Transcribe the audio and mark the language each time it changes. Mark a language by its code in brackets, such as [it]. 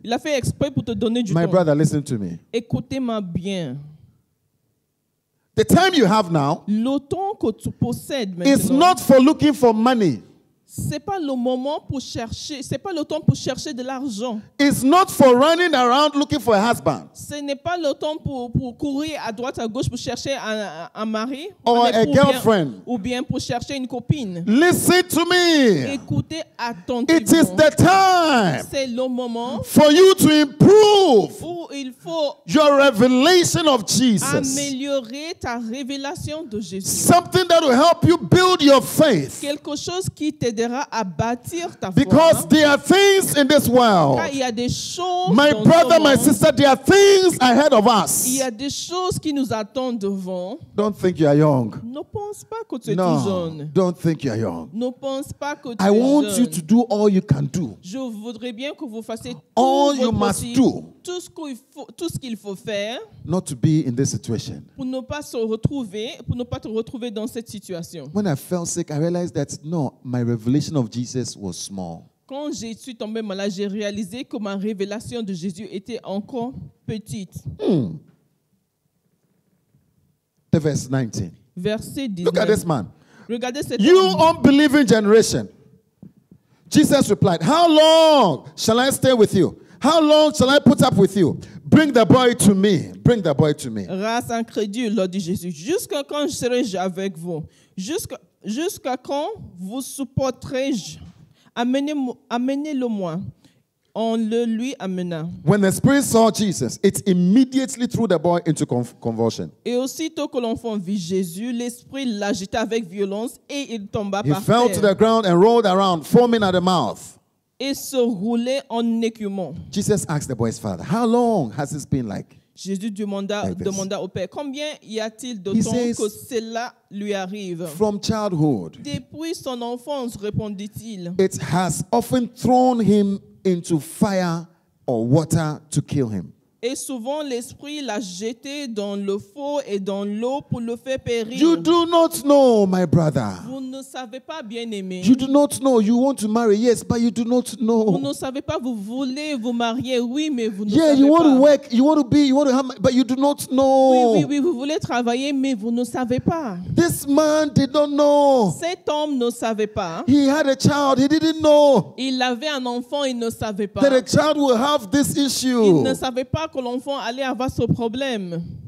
[fr] Il a fait exprès pour te donner du temps. [en] My brother, listen to me. [fr] Écoutez-moi bien. [en] The time you have now, [fr] le temps que tu possèdes maintenant, [en] is not for looking for money. [fr] C'est pas le moment pour chercher. C'est pas le temps pour chercher de l'argent. [en] It's not for running around looking for a husband. [fr] Ce n'est pas le temps pour courir à droite à gauche pour chercher un mari. [en] Or a girlfriend. [fr] Ou bien pour chercher une copine. [en] Listen to me. [fr] Écoutez attentivement. [en] It is the time. [fr] C'est le moment. [en] For you to improve. [fr] Où il faut [en] your revelation of Jesus. [fr] Améliorer ta révélation de Jésus. [en] Something that will help you build your faith. [fr] Quelque chose qui t'aide t'aidera à bâtir ta foi. [en] Because there are things in this world. [fr] Car il y a des choses. [en] My brother, my sister, there are things ahead of us. [fr] Il y a des choses qui nous attendent devant. [en] Don't think you are young. [fr] Ne pense pas que tu es tout jeune. [en] Don't think you are young. [fr] Ne pense pas que tu es jeune. [en] I want you to do all you can do. [fr] Je voudrais bien que vous fassiez tout ce que vous pouvez. [en] All you must do. [fr] Tout ce qu'il faut faire. [en] Not to be in this situation. [fr] Pour ne pas te retrouver dans cette situation. [en] When I fell sick, I realized that no, my revelation of Jesus was small. [fr] Quand je suis tombé malade, j'ai réalisé que ma révélation de Jésus était encore petite. Hmm. [en] Verse 19. Look at this man. [fr] Regardez cet [en] you [fr] homme. [en] You unbelieving generation. Jesus replied, "How long shall I stay with you? How long shall I put up with you? Bring the boy to me. Bring the boy to me." [fr] Race incrédule, leur dit Jésus, jusqu'à quand serai-je avec vous? Jusqu'à quand vous supporterai-je? Amenez-le-moi. On le lui amena. [en] When the spirit saw Jesus, it immediately threw the boy into convulsion. [fr] Et aussitôt que l'enfant vit Jésus, l'esprit l'agita avec violence et il tomba par terre. [en] He fell to the ground and rolled around, foaming at the mouth. [fr] Et se roulait en écumant. [en] Jesus asked the boy's father, "How long has this been like?" [fr] Jésus demanda au père, combien y a-t-il de temps que cela lui arrive? [en] From childhood. [fr] Depuis son enfance, répondit-il. [en] It has often thrown him into fire or water to kill him. [fr] Et souvent l'esprit l'a jeté dans le feu et dans l'eau pour le faire périr. [en] You do not know, my brother. [fr] Vous ne savez pas, bien-aimé. [en] You do not know. You want to marry, yes, but you do not know. [fr] Vous ne savez pas. Vous voulez vous marier, oui, mais vous ne savez pas. [en] Yeah, you want to work, you want to be, you want to have, but you do not know. [fr] Oui, vous voulez travailler, mais vous ne savez pas. [en] This man did not know. [fr] Cet homme ne savait pas. [en] He had a child. He didn't know. [fr] Il avait un enfant. Il ne savait pas. [en] That a child will have this issue. [fr] Il ne savait pas que l'enfant allait avoir ce problème.